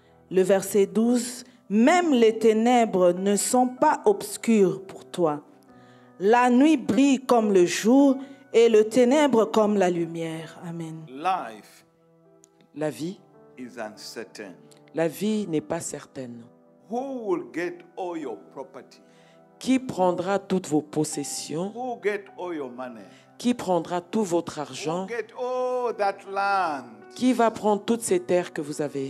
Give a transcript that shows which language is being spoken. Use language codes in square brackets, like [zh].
[fr] Le verset 12. Même les ténèbres ne sont pas obscures pour toi. La nuit brille comme le jour et le ténèbre comme la lumière. Amen. [en] Life, [fr] la vie, [en] is uncertain. [fr] La vie n'est pas certaine. [en] Who will get all your property? [fr] Qui prendra toutes vos possessions? [en] Who get all your money? [fr] Qui prendra tout votre argent? [en] Who get all that land? [fr] Qui va prendre toutes ces terres que vous avez?